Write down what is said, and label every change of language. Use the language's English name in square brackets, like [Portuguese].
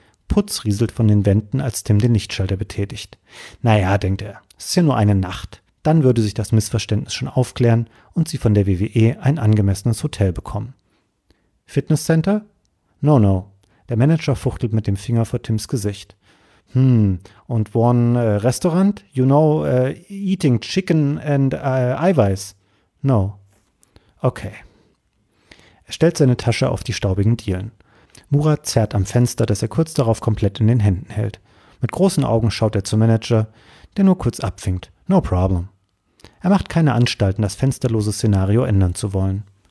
[German] Putz rieselt von den Wänden, als Tim den Lichtschalter betätigt. Naja, denkt er. Es ist ja nur eine Nacht. Dann würde sich das Missverständnis schon aufklären und sie von der WWE ein angemessenes Hotel bekommen. Fitnesscenter? [English] No, no. [German] Der Manager fuchtelt mit dem Finger vor Tims Gesicht. Hm, und [English] one [German] Restaurant? [English] You know, eating chicken and [German] Eiweiß? [English] No. Okay. [German] Er stellt seine Tasche auf die staubigen Dielen. Murat zerrt am Fenster, das er kurz darauf komplett in den Händen hält. Mit großen Augen schaut er zum Manager, der nur kurz abwinkt. [English] No problem. [German] Er macht keine Anstalten, das fensterlose Szenario ändern zu wollen.